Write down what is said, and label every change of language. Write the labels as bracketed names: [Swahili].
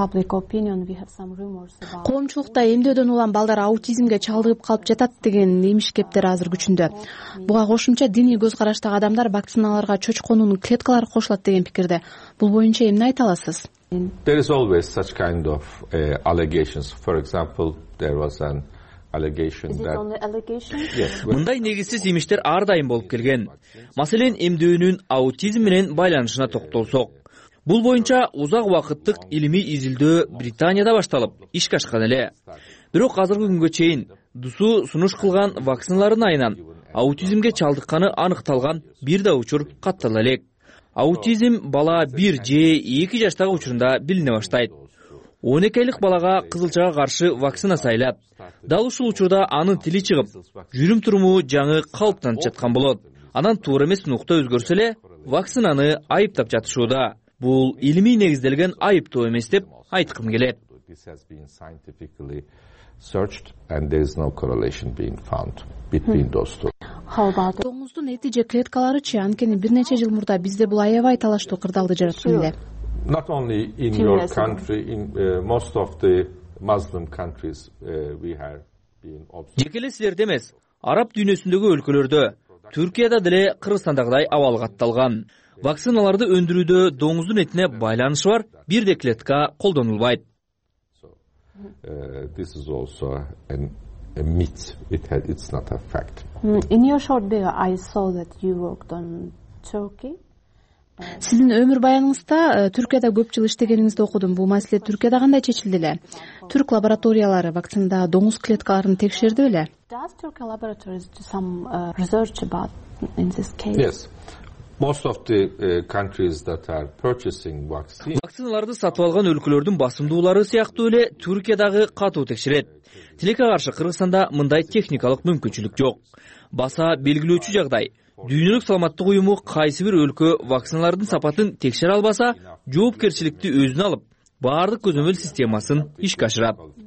[Kyrgyz] Коомчулукта эмдөөдөн улам балдар аутизмге чалдыгып калып жатат деген эмиш кептер азыр күчүндө. Буга кошумча диний көз караштагы адамдар вакциналарга чочконун клеткалары кошулат деген пикирде. Бул боюнча эмне айта аласыз? [English] There is always such kind of allegations. For example, there was an allegation that... Is it only allegations? [Kyrgyz] Мындай негизсиз эмиштер ар дайым болуп келген. Маселен, эмдөөнүн аутизм менен байланышына токтолсок. Бул боюнча узак убакыттык илимий изилдөө Британияда башталып, ишке ашкан эле. Бирок азыркы күнгө чейин ДСУ сунуш кылган вакциналардын айынан аутизмге чалдыкканы аныкталган бир да учур каттала элек. Аутизм бала 1 же 2 жаштагы учурунда билине баштайт. 12 айлык балага кызылчага каршы вакцина сайылат. Дал ушул учурда анын тили чыгып, жүрүм туруму жаңы калыптанып жаткан болот. Анан туура эмес нукта өзгөрсө эле вакцинаны айыптап жатышууда. Бул илимий негизделген айыптоо эмес деп айткым келет. [English] This has been scientifically searched and there is no correlation being found between those two. [Kyrgyz] Тоңуздун эти же клеткаларычы, анткени бир нече жыл мурда бизде бул аябай талаштуу кырдаалды жараткан эле. [English] Not only in your country, in most of the Muslim countries we have been observed. [Kyrgyz] Жекеле силерде эмес, араб дүйнөсүндөгү өлкөлөрдө, Түркияда деле Кыргызстандагыдай абал катталган. Вакциналарды өндүрүүдө доңуздун этине байланышы бар бир да клетка колдонулбайт. [English] This is also a myth. It's not a fact. In your short bio, I saw that you worked on Turkey. [Kyrgyz] Сиздин өмүр баяныңызда Түркияда көп жыл иштегениңизди окудум. Бул маселе Түркияда кандай чечилди эле? Түрк лабораториялары вакцинада доңуз клеткаларын текшерди беле? [English] Does Turkey laboratories do some research about in this case? Yes. Most of the countries that are purchasing vaccines. [Kyrgyz] Вакциналарды сатып алган өлкөлөрдүн басымдуулары сыяктуу эле Түркиядагы катуу текшерет. Тилекке каршы Кыргызстанда мындай техникалык мүмкүнчүлүк жок. Баса белгилөөчү жагдай. Дүйнөлүк саламаттык уюму кайсы бир өлкө вакциналардын сапатын текшере албаса, жоопкерчиликти өзүнө алып, баардык көзөмөл системасын ишке ашырат.